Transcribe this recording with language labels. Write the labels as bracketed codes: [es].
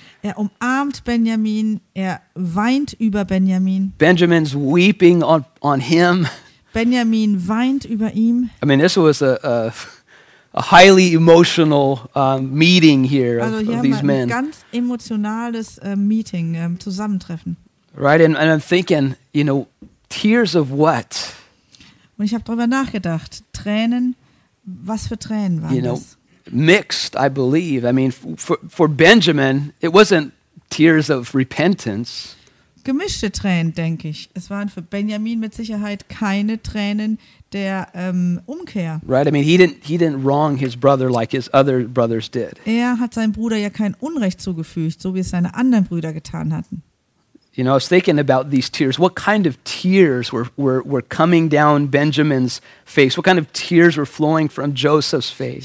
[de] Er umarmt Benjamin, er weint über Benjamin. [en] Benjamin's weeping on him. [de] Benjamin weint über ihm. [en] I mean, this was a highly emotional meeting here of these men. [de] Also hier haben wir ein ganz emotionales Meeting, Zusammentreffen. [en] Right, and I'm thinking, you know, tears of what? [de] Und ich habe darüber nachgedacht, Tränen, was für Tränen waren [en] you know, [de] das? [en] Mixed, I believe. I mean, for Benjamin, it wasn't tears of repentance. [de] Gemischte Tränen, denke ich. Es waren für Benjamin mit Sicherheit keine Tränen der Umkehr. [en] Right. I mean, he didn't wrong his brother like his other brothers did. [de] Er hat seinem Bruder ja kein Unrecht zugefügt, so wie es seine anderen Brüder getan hatten. [en] You know, I was thinking about these tears. What kind of tears were coming down Benjamin's face? What kind of tears were flowing from Joseph's face?